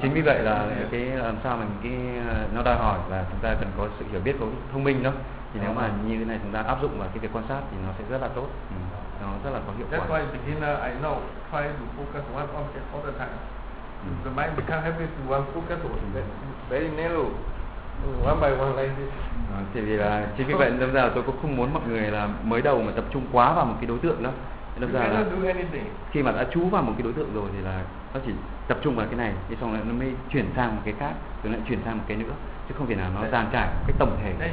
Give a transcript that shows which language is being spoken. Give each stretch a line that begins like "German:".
Vietnamese: chính vì vậy là cái làm sao mình cái nó đòi hỏi là chúng ta cần có sự hiểu biết, có thông minh đó. Thì nếu mà như thế này chúng ta áp dụng vào cái việc quan sát thì nó sẽ rất là tốt. Nó rất là có hiệu quả.
English: That's why beginner I know try to focus one object all the time. The mind become happy to one focus very narrow. One by one like this.
Vietnamese: Thì là chính vì vậy đâm ra tôi cũng không muốn mọi người là mới đầu mà tập trung quá vào một cái đối tượng đó. Đâm ra là khi mà đã chú vào một cái đối tượng rồi thì là nó chỉ tập trung vào cái này, thì xong lại nó mới chuyển sang một cái khác, rồi lại chuyển sang một cái nữa, chứ không thể nào nó dàn trải cái tổng thể.